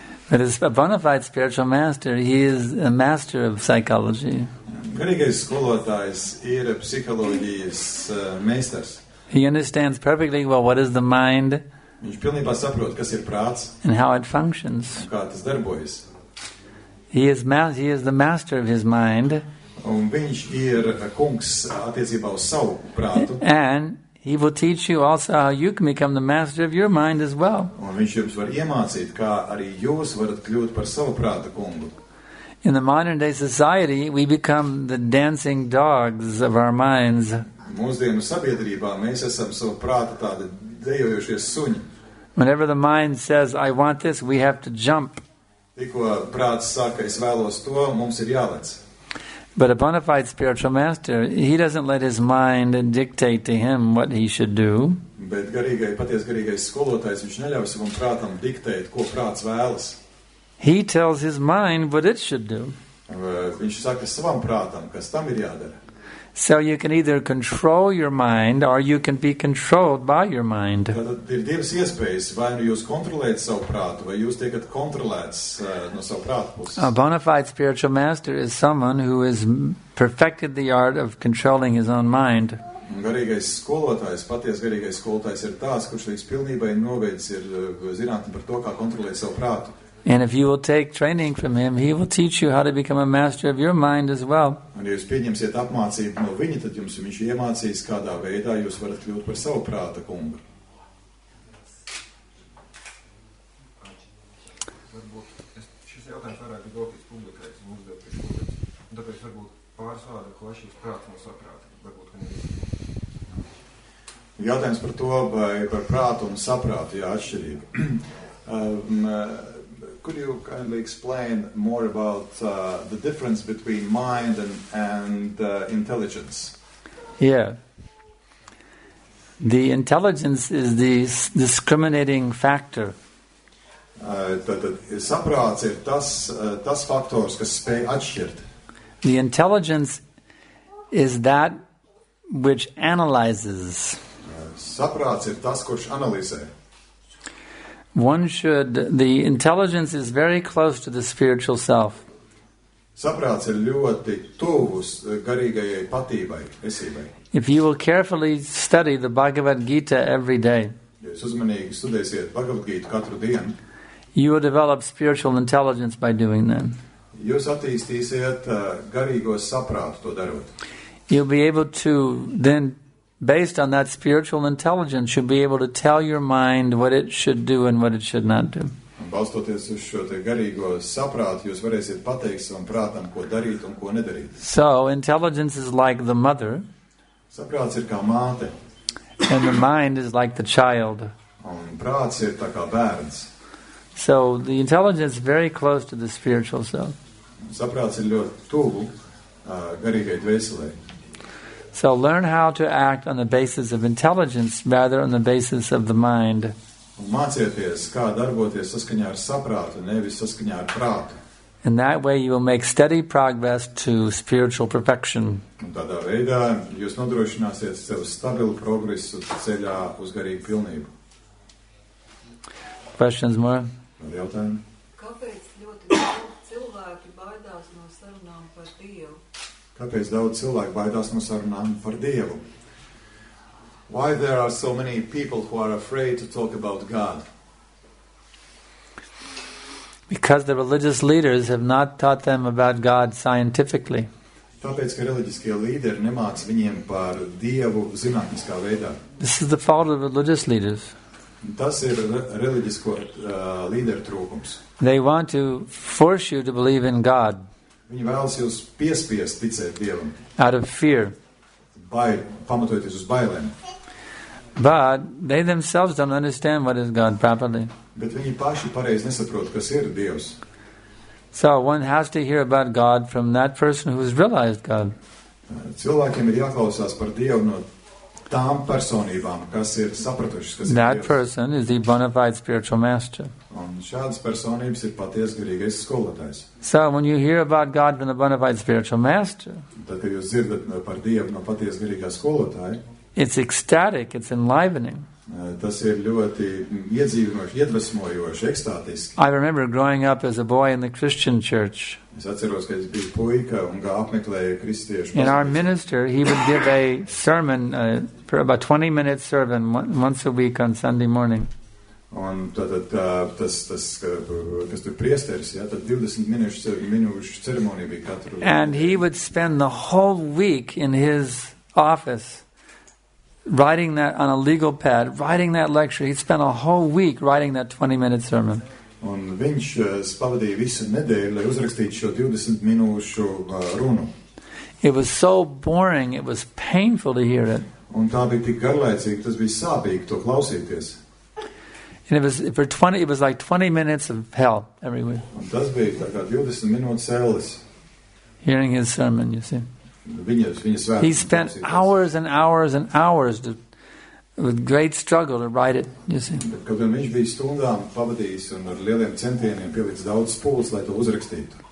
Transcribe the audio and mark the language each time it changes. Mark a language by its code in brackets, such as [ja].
[en] But as a bona fide spiritual master, he is a master of psychology. [lv] Garīgais skolotājs ir psiholoģijas meistars. [en] He understands perfectly well what is the mind. [lv] Viņš pilnībā saprot, kas ir prāts. [en] And how it functions. [lv] Kā tas darbojas. [en] He is the master of his mind. [lv] Un viņš ir kungs attiecībā uz savu prātu. [en] And he will teach you also how you can become the master of your mind as well. [lv] Un viņš jums var iemācīt, kā arī jūs varat kļūt par savu prātu kungu. [en] In the modern day society, we become the dancing dogs of our minds. [lv] Mūsdienu sabiedrībā mēs esam savu prātu tādi dejojošie suņi. [en] Whenever the mind says, I want this, we have to jump. [lv] Tikko prāts saka, es vēlos to, mums ir jālec. [en] But a bona fide spiritual master, he doesn't let his mind dictate to him what he should do. [lv] Bet garīgai, paties garīgais skolotājs, viņš neļauj savam prātam diktēt, ko prāts vēlas. [en] He tells his mind what it should do. [lv] Viņš saka savam prātam, kas tam ir jādara. [en] So you can either control your mind or you can be controlled by your mind. [lv] Tad ir divas iespējas, vai nu jūs kontrolēt savu prātu, vai jūs tiekat kontrolēts no savu prātu puses. [en] A bona fide spiritual master is someone who has perfected the art of controlling his own mind. [lv] Garīgais skolotājs, paties garīgais skolotājs ir tās, kurš līdz pilnībai noveicis ir zinātni par to, kā kontrolēt savu prātu. [en] And if you will take training from him, he will teach you how to become a master of your mind as well. [lv] Un ja jūs pieņemsiet apmācību no viņa, tad jums viņš iemācīs, kādā veidā jūs varat kļūt par savu prāta kungu. Varbūt šis jautājums varētu būt gotīts publikais un uzdot pie kundas. Tāpēc varbūt pāris vārdu, ko es jūs prāts no saprāta. Varbūt, ka nevis. Jautājums par to, vai par prātu un saprātu, jā, atšķirība. [en] Could you kindly explain more about the difference between mind and intelligence? Yeah. The intelligence is the discriminating factor. [lv] Saprāts ir tas faktors, kas spēj atšķirt. [en] The intelligence is that which analyzes. [lv] Saprāts ir tas, kurš analizē. [en] The intelligence is very close to the spiritual self. [lv] Saprāts ir ļoti tuvus garīgajai patībai, esībai. [en] If you will carefully study the Bhagavad Gita every day, [lv] jūs uzmanīgi studēsiet Bhagavad Gita katru dienu, [en] you will develop spiritual intelligence by doing that. [lv] Jūs attīstīsiet garīgo saprātu to darot. [en] You'll be able to then based on that spiritual intelligence, you'll be able to tell your mind what it should do and what it should not do. [lv] Balstoties uz šo te garīgo saprātu, jūs varēsiet pateikt savam prātam, ko darīt un ko nedarīt. [en] So, intelligence is like the mother. [lv] Saprāts ir kā māte. [en] And the mind is like the child. [lv] Un prāts ir tā kā bērns. [en] So, the intelligence is very close to the spiritual self. [lv] Saprāts ir ļoti tuvu garīgai dvēselē. [en] So learn how to act on the basis of intelligence rather on the basis of the mind. [lv] Mācieties, kā darboties saskaņā ar saprātu, nevis saskaņā ar prātu. [en] In that way you will make steady progress to spiritual perfection. [lv] Tādā veidā jūs nodrošināsiet sev stabilu progresu ceļā uz garīgu pilnību. [en] Questions more? [lv] Jautājumi? Kāpēc ļoti daudz cilvēki baidās no sarunām par Dievu? Kāpēc daudz cilvēku baidās no sarunām par Dievu? [en] Why there are so many people who are afraid to talk about God? Because the religious leaders have not taught them about God scientifically. [lv] Tāpēc, ka reliģiskie līderi nemāc viņiem par Dievu zinātniskā veidā. [en] This is the fault of religious leaders. [lv] Tas ir reliģisko līderu trūkums. [en] They want to force you to believe in God. [lv] Viņi vēlas jūs piespiest ticēt Dievam. [en] Out of fear. [lv] Pamatojoties uz bailēm. [en] But they themselves don't understand what is God properly. [lv] Bet viņi paši pareizi nesaprot, kas ir Dievs. [en] So one has to hear about God from that person who has realized God. [lv] Cilvēkiem ir jāklausās par Dievu no tām personībām, kas ir sapratušas, kas ir Dievs. [en] That person is the bona fide spiritual master. [lv] Un šādas personības ir paties garīgais skolotājs. [en] So when you hear about God from the bona fide spiritual master, [lv] tad, kad jūs dzirdat par Dievu no paties garīgā skolotāja, [en] it's ecstatic, it's enlivening. [lv] Tas ir ļoti iedzīvinoši, iedvesmojoši, ekstātiski. [en] I remember growing up as a boy in the Christian church. [lv] Es atceros, ka es biju puika un kā apmeklēju kristiešu baznīcu. [en] And our minister, he would give a sermon, for about 20-minute sermon once a week on Sunday morning. [lv] Un tad tas, kas tur priesteris, ja, tad 20-minūšu ceremonija bija katru. [en] And he would spend the whole week in his office. Writing that on a legal pad, writing that lecture, he'd spent a whole week writing that 20-minute sermon. [lv] Un viņš pavadīja visu nedēļu, lai uzrakstītu šo 20-minūšu runu. [en] It was so boring, it was painful to hear it. [lv] Un tā bija tik garlaicīgi, tas bija sāpīgi to klausīties. [en] And it was like 20 minutes of hell every week. [lv] Un tas bija tā kā 20 minūtes elles. [en] Hearing his sermon, you see. [lv] Viņa [en] he spent hours and hours and hours with great struggle to write it, you see. [lv] Kad viņš bija stundām pavadījis un ar lieliem centieniem pielicis daudz spūles, lai to uzrakstītu.